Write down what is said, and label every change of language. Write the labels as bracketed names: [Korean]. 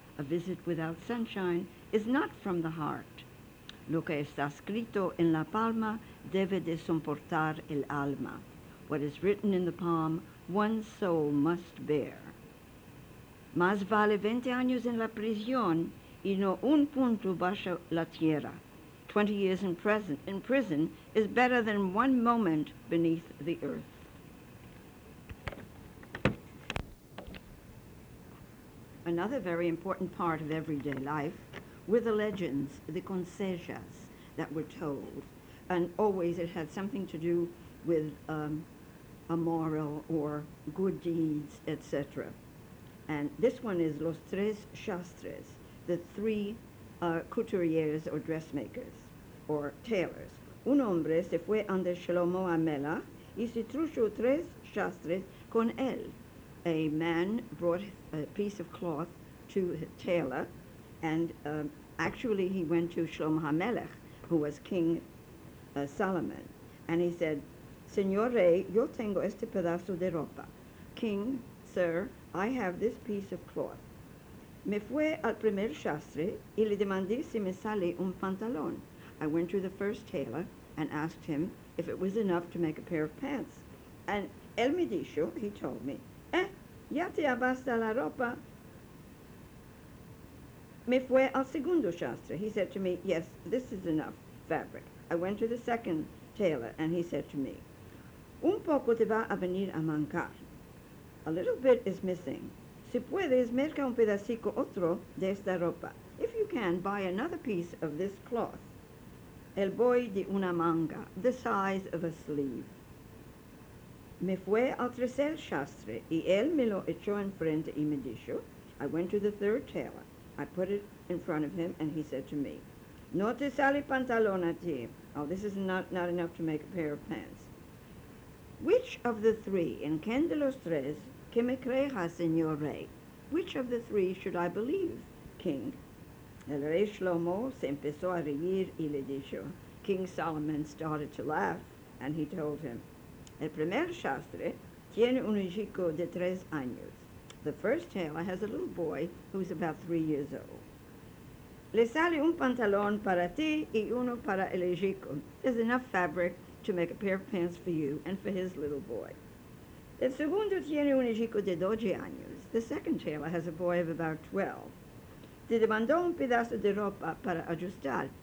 [English] A visit without sunshine is not from the heart. [Ladino] Lo que está escrito en la palma debe de soportar el alma. [English] What is written in the palm, one soul must bear. [Ladino] Más vale 20 años en la prisión y no un punto bajo la tierra. [English] 20 years in prison is better than one moment beneath the earth. Another very important part of everyday life were the legends, the consejas, that were told. And always it had something to do with a moral or good deeds, etc. And this one is Los Tres Sastres, the three couturiers or dressmakers or tailors. [Ladino] Un hombre se fue ante Shlomo Amela y se trujo tres sastres con él. [English] A man brought a piece of cloth to the tailor, and actually he went to Shlomo HaMelech, who was King Solomon, and he said, [Ladino] Señor Rey, yo tengo este pedazo de ropa. [English] King, sir, I have this piece of cloth. [Ladino] Me fue al primer sastre y le demandé si me sale un pantalón. [English] I went to the first tailor and asked him if it was enough to make a pair of pants. And [Ladino] él me dijo, [English] he told me, [Ladino] ya te abasta la ropa. Me fue al segundo sastre. [English] He said to me, yes, this is enough fabric. I went to the second tailor and he said to me, [Ladino] un poco te va a venir a mancar. [English] A little bit is missing. [Ladino] Si puedes, merca un pedacito otro de esta ropa. [English] If you can, buy another piece of this cloth. [Ladino] El boy de una manga, [English] the size of a sleeve. [Ladino] Me fue al tercer sastre y él me lo echó en frente y me dijo, [English] I went to the third tailor. I put it in front of him and he said to me, [Ladino] no te sale pantalón a ti. [English] Oh, this is not enough to make a pair of pants. Which of the three, [Ladino] en quien de los tres, que me creja, señor rey? [English] Which of the three should I believe, king? [Ladino] El rey Shlomo se empezó a reír y le dijo, [English] King Solomon started to laugh and he told him, [Ladino] el primer sastre tiene un chico de tres años. [English] The first tailor has a little boy who's about 3 years old. [Ladino] Le sale un pantalón para ti y uno para el chico. [English] There's enough fabric to make a pair of pants for you and for his little boy. [Ladino] El segundo tiene un chico de 12 años. [English] The second tailor has a boy of about 12. [Ladino] Te demandó un pedazo de ropa para ajustar.